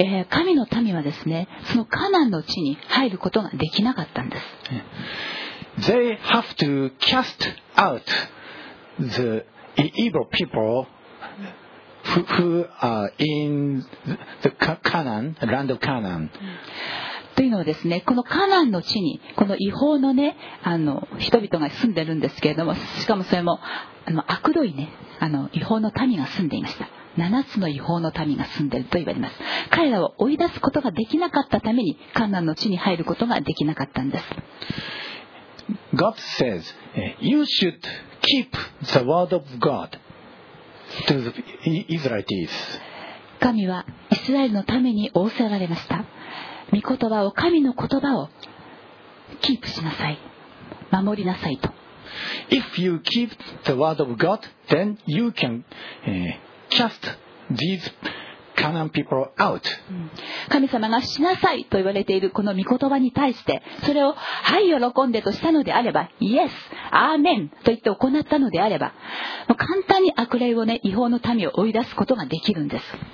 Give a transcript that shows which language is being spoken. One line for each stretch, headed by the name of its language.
Japanese: 神の民はですね、そのカナンの地に入ることができなかったんです。
English: They have to cast out the evil people who are in the Canaan, land of Canaan.
Japanese: というのはですね、このカナンの地にこの違法のね、人々が住んでるんですけれども、しかもそれも悪どいね、違法の民が住んでいました。 7つの違法の民が住んでいると言われます。彼らを追い出すことができなかったために、カナンの地に入ることができなかったんです。
English: God says, you should keep the word of God to the Israelites.
Japanese: 神はイスラエルのために仰せられました。御言葉を、神の言葉をキープしなさい。守りなさいと。
English: If you keep the word of God, then you can cast these Canaan people out.
Japanese: 神様がしなさいと言われているこの御言葉に対して、それをはい喜んでとしたのであれば、イエス、アーメンと言って行ったのであれば、もう簡単に悪霊をね、違法の民を追い出すことができるんです。